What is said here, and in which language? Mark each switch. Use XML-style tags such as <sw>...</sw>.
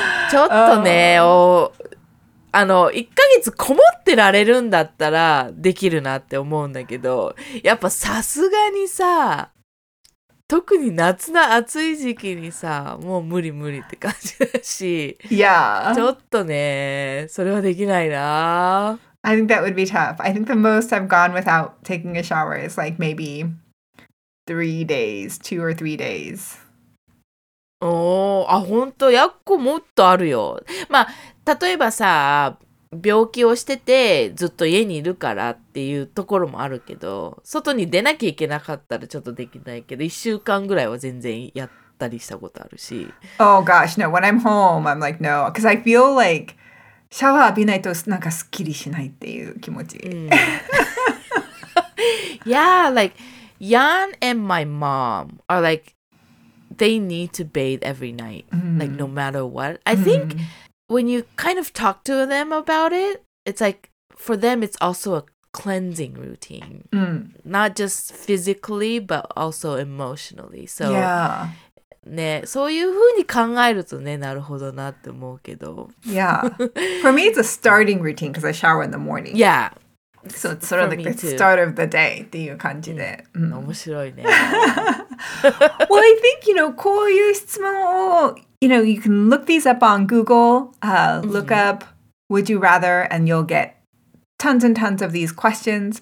<ja>ちょっとね、あの1ヶ月こもってられるんだったらできるなって思うんだけど、やっぱさすがにさ、特に夏の暑い時期にさ、もう無理無理って感じだし、</ja> <en>yeah.</en> <ja>ちょっとね、それはできないな。</ja> <en>I think that would be tough. I think the most I've gone without taking a shower is like maybe... 3 days, 2 or 3 days.</en> <ja>おー、あ、ほんと、やっこもっとあるよ。まあ、例えばさ、病気をしててずっと家にいるからっていうところもあるけど、外に出なきゃいけなかったらちょっとできないけど、1週間ぐらいは全然やったりしたことあるし。</ja> <en>Oh gosh, no. When I'm home, I'm like, no. Because I feel like</en> <ja>シャワー浴びないとなんかすっきりしないっていう気持ち。</ja> <en>Yeah, like, Jan and my mom are like, they need to bathe every night, like, no matter what. I think when you kind of talk to them about it, it's like, for them, it's also a cleansing routine. Not just physically, but also emotionally. So, yeah.</en> <ja>そういうふうに考えるとね、なるほどなって思うけど。</ja> <en>Yeah. For me, it's a starting routine because I shower in the morning. Yeah. So, it's sort of like the start of the day</en> <ja>っていう感じで。面白いね。</ja> <en>Well, I think, you know,</en> <ja>こういう質問を、</ja> <en>you know, you can look these up on Google, look up would you rather, and you'll get tons and tons of these questions.</en>